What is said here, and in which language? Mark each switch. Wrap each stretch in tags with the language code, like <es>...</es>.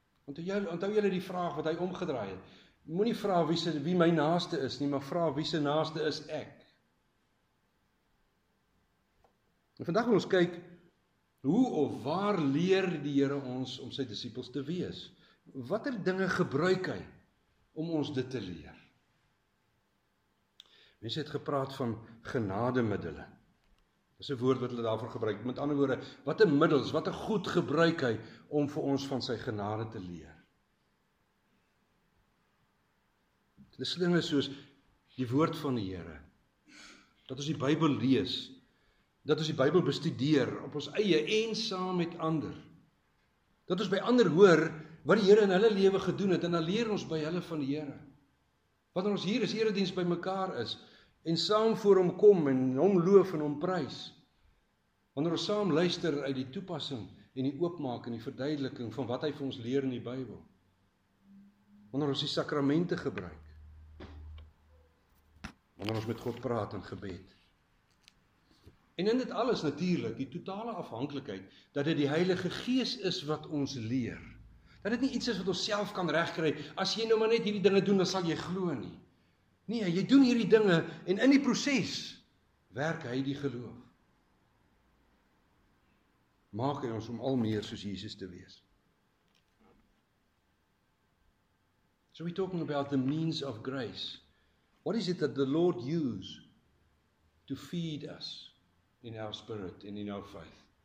<af>Onthou julle die vraag wat hy omgedraai het. Moenie vra wie my naaste is nie, maar vra wie se naaste is ek. En vandag wil ons kyk hoe of waar leer die Here ons om sy disippels te wees. Watter dinge gebruik hy om ons dit te leer? Mense het gepraat van genademiddele. Dis 'n woord wat hulle daarvoor gebruik. Met ander woorde, watter middels, watter goed gebruik hy om vir ons van sy genade te leer? Dit is dinge soos die woord van die Here. Dat ons die Bybel lees, dat ons die Bybel bestudeer op ons eie en saam met ander. Dat ons by ander hoor wat die Here in hulle lewe gedoen het en dan leer ons by hulle van die Here. Wanneer ons hier is, erediens by mekaar is en saam voor hom kom en hom loof en hom prys. Wanneer ons saam luister uit die toepassing en die oopmaak en die verduideliking van wat hy vir ons leer in die Bybel. Wanneer ons die sakramente gebruik. Wanneer ons met God praat in gebed. En in dit alles natuurlik, die totale afhanklikheid, dat dit die Heilige Gees is wat ons leer. Dat dit nie iets is wat ons self kan regkry, as jy nou maar net hierdie dinge doen, dan sal jy glo nie. Nee, jy doen hierdie dinge, en in die proses, werk hy die geloof. Maak hy ons om al meer soos Jesus te wees.</af> <en>So we're talking about the means of grace. What is it that the Lord use to feed us in our spirit and in our faith?</en>